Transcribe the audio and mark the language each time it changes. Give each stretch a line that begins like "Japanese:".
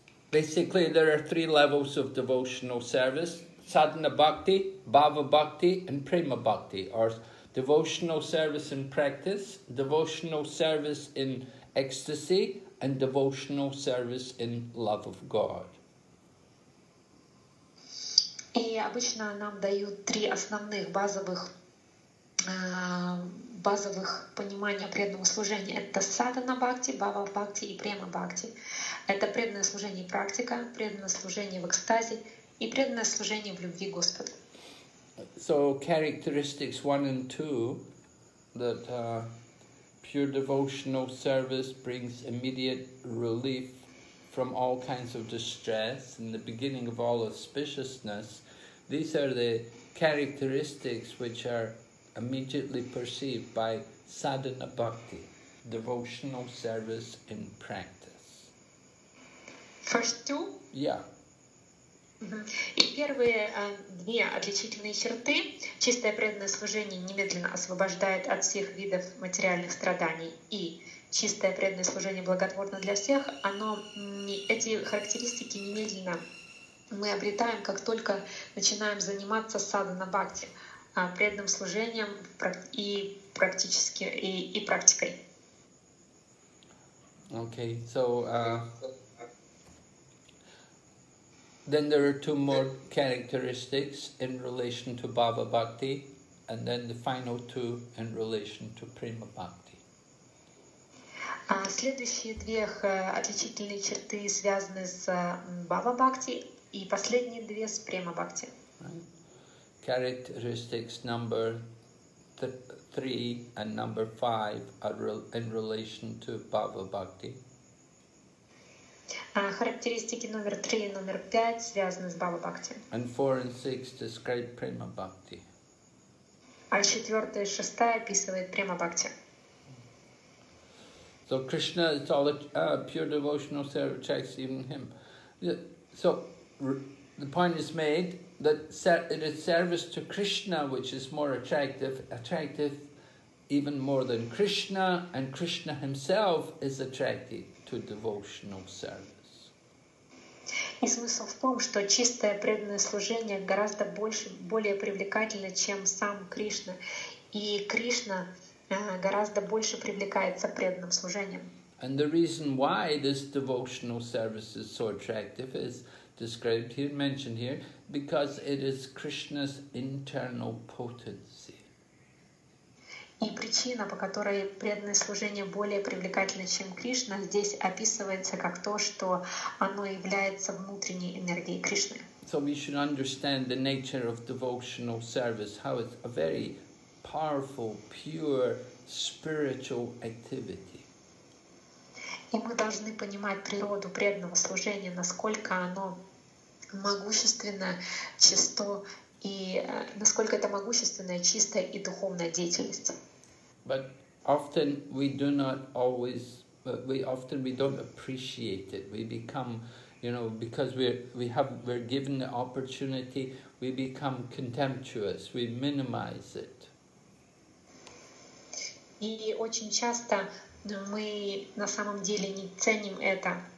English: Basically, there are 3 levels of devotional service: sadhana bhakti, bhava bhakti, and prema bhakti, or devotional service in practice, devotional service in ecstasy, and devotional service in love of God.
Russian: И обычно нам дают 3 основных базовых понимания преданного служения. Это садхана бхакти, бхава бхакти и према бхакти. Это преданное служение и практика, преданное служение в экстазе и преданное служение в любви Господа.
English: So characteristics 1 and 2, that pure devotional service brings immediate relief from all kinds of distress and the beginning of all auspiciousness. These are the characteristics which are immediately perceived by sadhana bhakti, devotional service in practice. First 2? Yeah.
Russian: И первые 2 отличительные черты. Чистое преданное служение немедленно освобождает от всех видов материальных страданий. И чистое преданное служение благотворно для всех. Эти характеристики немедленно мы обретаем, как только начинаем заниматься садхана бхакти, преданным служением и практикой.
English: Okay, so then there are 2 more characteristics in relation to bhava bhakti, and then the final 2 in relation to prema bhakti.
Russian: Следующие 2 отличительные черты связаны с бхава бхакти, и последние 2 с према бхакти.
English: Characteristics number 3 and number 5 are in relation to bhava bhakti.
Russian: Характеристики номер 3 и номер 5 связаны с бхава бхакти.
English: And 4 and 6 describe prema bhakti.
Russian: А 4 и 6 описывает према бхакти.
English: So Krishna is all pure devotional service, checks even him. So the point is made that it is service to Krishna which is more attractive even more than Krishna, and Krishna himself is attracted to devotional service.
Russian: И смысл в том, что чистое преданное служение гораздо более привлекательно, чем сам Кришна, и Кришна гораздо больше привлекается преданным служением.
English: And the reason why this devotional service is so attractive is described here, mentioned here, because it is Krishna's internal potency.
Russian: И причина, по которой преданное служение более привлекательно, чем Кришна, здесь описывается как то, что оно является внутренней энергией Кришны.
English: So we should understand the nature of devotional service, how it's a very powerful, pure spiritual activity.
Russian: И мы должны понимать природу преданного служения, насколько оно могущественно, чисто и насколько это могущественная, чистая и духовная деятельность.
English: But often we do not always, we often we don't appreciate it. We become, you know, because we're given the opportunity, we become contemptuous, we minimize it.
Russian: И очень часто мы на самом деле не ценим это.